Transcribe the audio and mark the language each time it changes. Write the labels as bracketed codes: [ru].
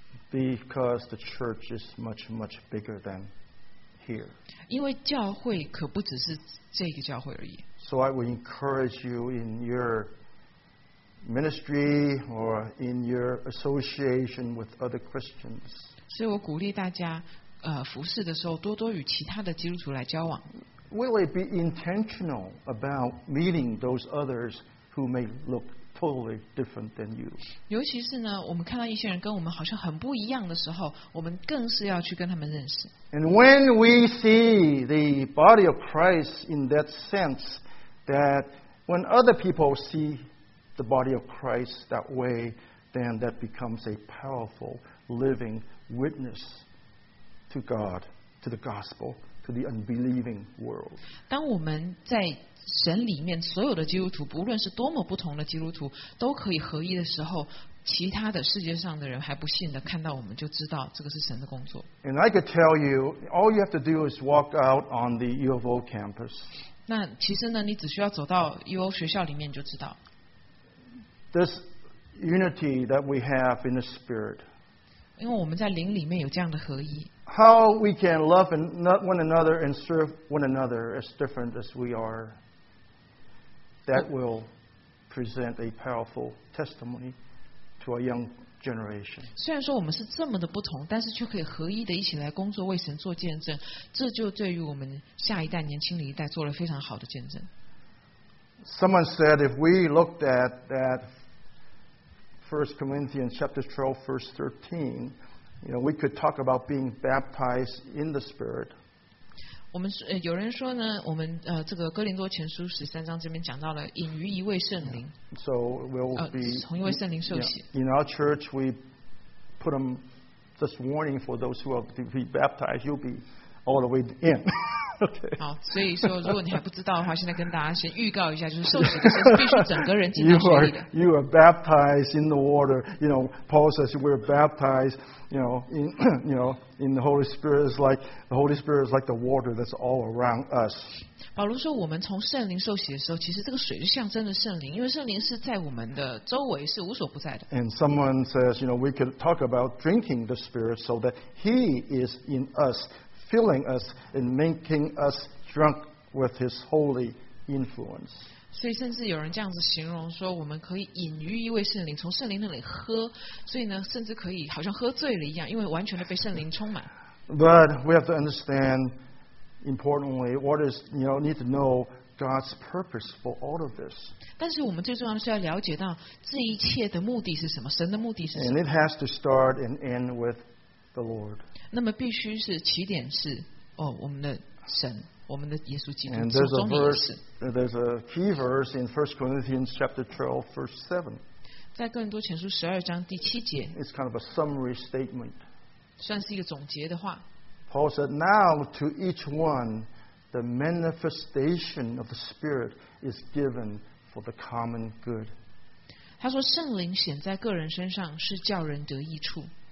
[en] Because the church is much, much bigger than. [zh] 因为教会可不只是这个教会而已。 [en] So I would encourage you in your ministry or in your association with other Christians. [zh] 所以我鼓励大家，服侍的时候多多与其他的基督徒来交往。 [en] Will it be intentional about meeting those others who may look totally different than you? [zh] 尤其是呢，我们看到一些人跟我们好像很不一样的时候，我们更是要去跟他们认识。 [en] And when we see the body of Christ in that sense, that when other people see the body of Christ that way, then that becomes a powerful living witness to God, to the gospel, to the unbelieving world. [zh] 当我们在神里面所有的基督徒，不论是多么不同的基督徒，都可以合一的时候。其他的世界上的人还不信的，看到我们就知道这个是神的工作。 [en] And I could tell you, all you have to do is walk out on the U of O campus. [zh] 那其实呢，你只需要走到 U of O 学校里面就知道。 [en] This unity that we have in the Spirit. [zh] 因为我们在灵里面有这样的合一。 [en] How we can love one another and serve one another as different as we are. That will present a powerful testimony. To a young generation. [zh] 虽然说我们是这么的不同，但是却可以合一的一起来工作，为神做见证，这就对于我们下一代年轻的一代做了非常好的见证。 [en] Someone said if we looked at that First Corinthians chapter 12, verse 13, you know, we could talk about being baptized in the Spirit. [zh] 我们有人说呢，我们这个哥林多前书十三章这边讲到了隐于一位圣灵， [en] so we'll be, [zh] 从一位圣灵受洗。 [en] Yeah, in our church, we put them this warning for those who are to be baptized. You'll be all the way in. Okay. [zh] 好，所以说如果你还不知道的话，现在跟大家先预告一下，就是受洗的时候必须整个人浸在水里的。 [en] You are baptized in the water. You know, Paul says we're baptized. You know, in the Holy Spirit is like the Holy Spirit is like the water that's all around us. [zh] 保罗说，我们从圣灵受洗的时候，其实这个水是象征的圣灵，因为圣灵是在我们的周围，是无所不在的。 [en] And someone says, you know, we could talk about drinking the Spirit so that He is in us, filling us and making us drunk with His holy influence. [zh] 所以甚至有人这样子形容说，我们可以隐于一位圣灵，从圣灵那里喝，所以呢甚至可以好像喝醉了一样，因为完全的被圣灵充满。 [en] But we have to understand importantly what is, you know, need to know God's purpose for all of this. [zh] 但是我们最重要的是要了解到这一切的目的是什么，神的目的是什么。 [en] And it has to start and end with the Lord. [zh] 那么必须是起点是哦，我们的神，我们的耶稣基督。 [en] And there's a verse, there's a key verse in 1 Corinthians chapter 12, verse 7. [zh] 在哥林多前书十二章第七节。 [en] It's kind of a summary statement. [zh] 算是一个总结的话。 [en] Paul said, now to each one, the manifestation of the Spirit is given for the common good. [zh] 他说圣灵显在个人身上是叫人得益处。